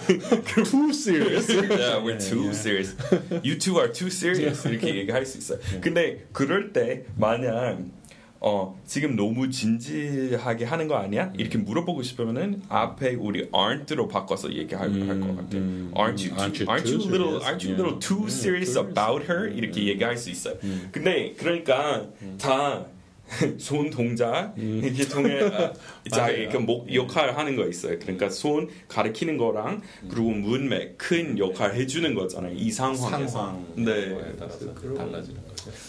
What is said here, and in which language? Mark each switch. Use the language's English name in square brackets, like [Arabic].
[English] too serious. yeah, we're too serious. serious. You two are too serious. [Korean] 이렇게 얘기할 수 있어요. 근데 그럴 때 만약 지금 너무 진지하게 하는 거 아니야? 이렇게 물어보고 싶으면은 앞에 우리 aren't로 바꿔서 얘기할 것 같아요. [English] Aren't you a little too serious about her? [Korean] 이렇게 얘기할 수 있어요. 근데 그러니까 다 손 동작 이렇게 통해 자기 목 역할을 하는 거 있어요. 그러니까 손 가리키는 거랑 그리고 문맥 큰 역할 해주는 거잖아요. 이 상황에서. 상황에 따라서 달라지는 거죠.